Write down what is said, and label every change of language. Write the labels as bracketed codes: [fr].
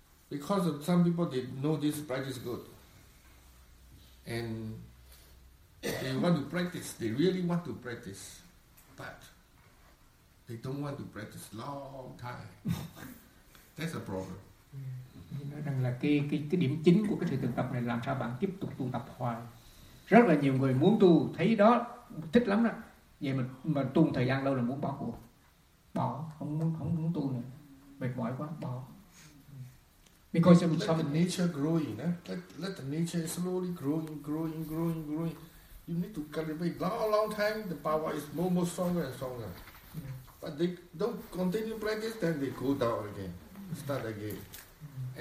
[en] Because some people they know this practice good, and they want to practice. They really want to practice, but they don't want to practice long time. That's a problem. [vi] Nói rằng là cái điểm chính của cái sự thực tập này làm sao bạn tiếp tục tu tập hoài. Rất là nhiều người muốn tu thấy đó thích lắm đó. Vậy mà tu thời gian lâu là muốn bỏ cuộc. Bỏ, không muốn tu nữa. Mệt mỏi quá, bỏ. [en] Because let some the nature growing, let the nature slowly growing. You need to cultivate long time, the power is more stronger and stronger. Yeah. But they don't continue practice, then they go down again, start again. Mm-hmm.